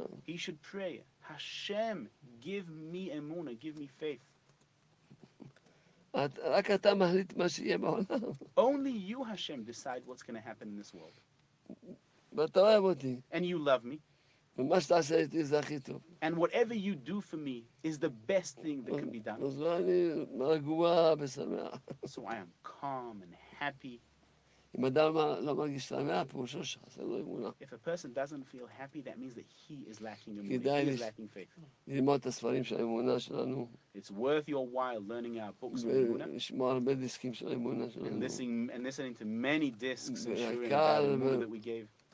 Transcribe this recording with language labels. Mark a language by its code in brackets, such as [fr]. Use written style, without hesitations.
[en] He should pray, Hashem, give me אמונה, give me faith. [he] רק אתה מחליט מה שיהיה בעולם. [en] Only you, Hashem, decide what's going to happen in this world. [he] ואתה אוהב אותי. [en] And you love me. [he] ומה שתעשה איתי זה הכי טוב. [en] And whatever you do for me is the best thing that can be done. [he] אז לא אני רגוע ושמח. [en] So I am calm and happy. [he] אם אדם לא מרגיש שמח, פירושו שעשה לו אמונה. [en] If a person doesn't feel happy, that means that he is lacking emuna. He is lacking faith. [he] ללמוד את הספרים של האמונה שלנו. [en] It's worth your while learning our books of emuna. [he] ולשמוע הרבה דיסקים של האמונה שלנו. [en] And listening to many discs and sharing our emuna that we gave.